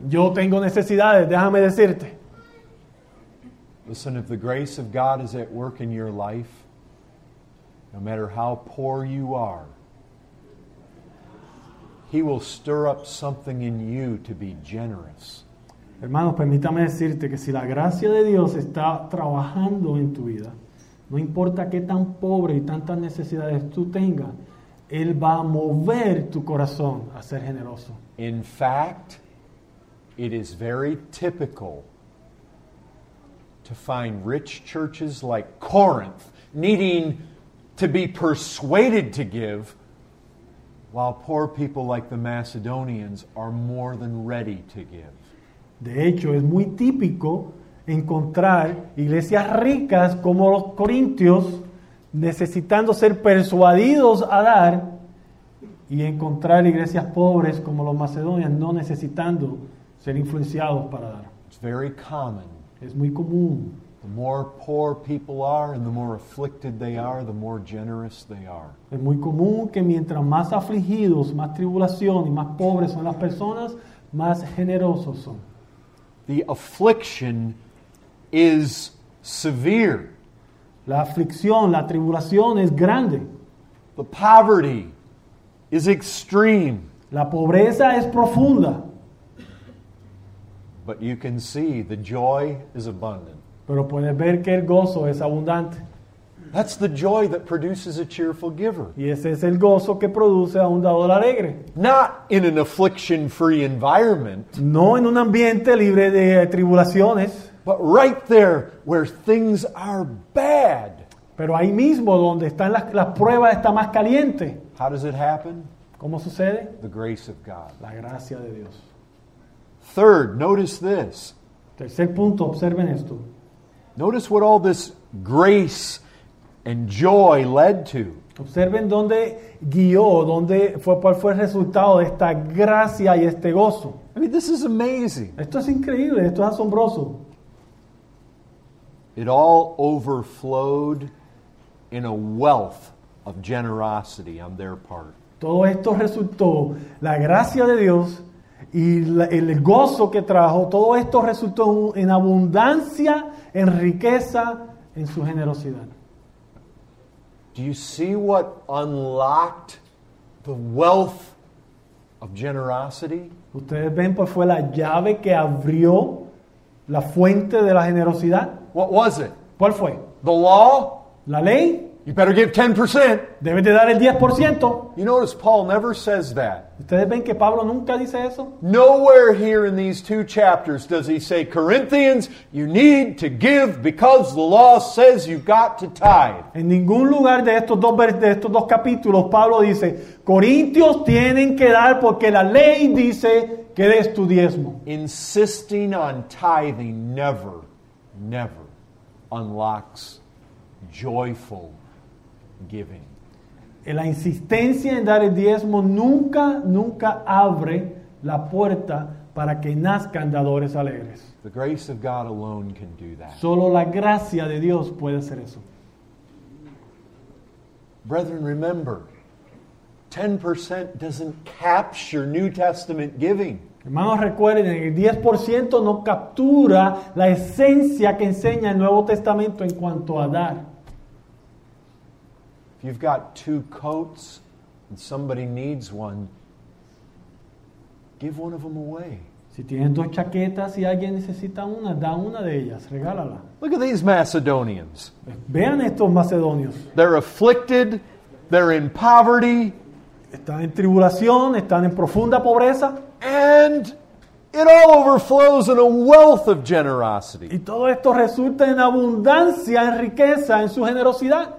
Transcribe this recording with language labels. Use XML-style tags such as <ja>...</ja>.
<es>Yo tengo necesidades, déjame decirte.</es> <en>Listen, if the grace of God is at work in your life, no matter how poor you are, He will stir up something in you to be generous.</en> <es>Hermanos, permítame decirte que si la gracia de Dios está trabajando en tu vida, no importa qué tan pobre y tantas necesidades tú tengas, Él va a mover tu corazón a ser generoso.</es> <en>In fact, it is very typical to find rich churches like Corinth needing to be persuaded to give, while poor people like the Macedonians are more than ready to give.</en> <es>De hecho, es muy típico encontrar iglesias ricas como los corintios necesitando ser persuadidos a dar y encontrar iglesias pobres como los macedonios no necesitando ser influenciados para dar.</es> <en>It's very common.</en> <es>Es muy común.</es> <en>The more poor people are and the more afflicted they are, the more generous they are.</en> <es>Es muy común que mientras más afligidos, más tribulación y más pobres son las personas, más generosos son.</es> <en>The affliction is severe.</en> <es>La aflicción, la tribulación es grande.</es> <en>The poverty is extreme.</en> <es>La pobreza es profunda.</es> <en>But you can see the joy is abundant.</en> <es>Pero puedes ver que el gozo es abundante.</es> <en>That's the joy that produces a cheerful giver.</en> <es>Y ese es el gozo que produce a un dador alegre.</es> <en>Not in an affliction-free environment.</en> <es>No en un ambiente libre de tribulaciones.</es> <en>But right there where things are bad.</en> <es>Pero ahí mismo donde están las pruebas está más caliente.</es> <en>How does it happen?</en> <es>¿Cómo sucede?</es> <en>The grace of God.</en> <es>La gracia de Dios.</es> <en>Third, notice this.</en> <es>Tercer punto, observen esto.</es> <en>Notice what all this grace and joy led to.</en> <es>Observen dónde guió, dónde fue, cuál fue el resultado de esta gracia y este gozo.</es> <en>I mean, this is amazing.</en> <es>Esto es increíble, esto es asombroso.</es> <en>It all overflowed in a wealth of generosity on their part.</en> <es>Todo esto resultó, la gracia de Dios y el gozo que trajo, todo esto resultó en abundancia, en riqueza, en su generosidad.</es> <en>Do you see what unlocked the wealth of generosity?</en> <es>¿Ustedes ven pues fue la llave que abrió la fuente de la generosidad?</es> <en>What was it?</en> <es>¿Cuál fue?</es> <en>The law?</en> <es>¿La ley?</es> <en>You better give 10%.</en> <es>Debes de dar el 10%.</es> <en>You notice Paul never says that.</en> <es>¿Ustedes ven que Pablo nunca dice eso?</es> <en>Nowhere here in these two chapters does he say, Corinthians, you need to give because the law says you've got to tithe.</en> <es>En ningún lugar de estos dos capítulos, Pablo dice, Corintios tienen que dar porque la ley dice que des tu diezmo.</es> <en>Insisting on tithing never, never unlocks joyful giving.</en> <es>La insistencia en dar el diezmo nunca, nunca abre la puerta para que nazcan dadores alegres.</es> <en>The grace of God alone can do that.</en> <es>Solo la gracia de Dios puede hacer eso.</es> <en>Brethren, remember, 10% doesn't capture New Testament giving.</en> <es>Hermanos, recuerden, el 10% no captura la esencia que enseña el Nuevo Testamento en cuanto a dar.</es> <en>If you've got two coats and somebody needs one, give one of them away.</en> <es>Si tienen dos chaquetas y alguien necesita una, da una de ellas, regálala.</es> <en>Look at these Macedonians.</en> <es>Vean estos macedonios.</es> <en>They're afflicted, they're in poverty.</en> <es>Están en tribulación, están en profunda pobreza.</es> <en>And it all overflows in a wealth of generosity.</en> <es>Y todo esto resulta en abundancia, en riqueza, en su generosidad.</es>